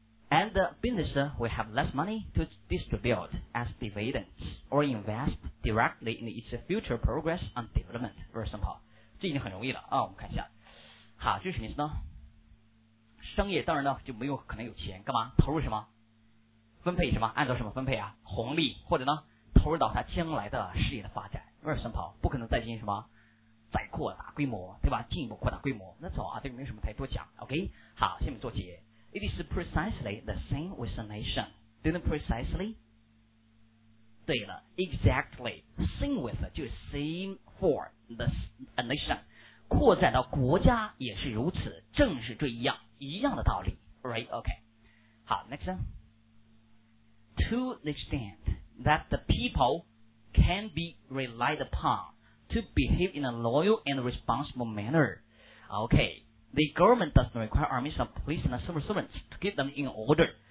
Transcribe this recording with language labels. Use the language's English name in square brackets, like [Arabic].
[English] And the business will have less money to distribute as dividends or invest directly in its future progress and development. Very simple. [Chinese] 这已经很容易了啊，我们看一下。好，这是什么意思呢？商业当然呢就没有可能有钱，干嘛？投入什么？分配什么？按照什么分配啊？红利，或者呢投入到他将来的事业的发展。 [English] Very simple. [Chinese] 不可能再进行什么再扩大规模，对吧？进一步扩大规模，那走啊，这个没什么太多讲。 OK， 好，下面做解。 [English] It is precisely the same with a nation. Didn't precisely? [Chinese] 对了 [English] ，exactly. Same with [Chinese] 就是 [English] same for the a nation. [Chinese] 扩展到国家也是如此，正是这一样的道理。 [English] Right? OK. [Chinese] 好 [English] ，next one. To the extent that the people can be relied upon. To behave in a loyal and responsible manner. Okay. The government does not require armies of police and civil servants to keep them in order.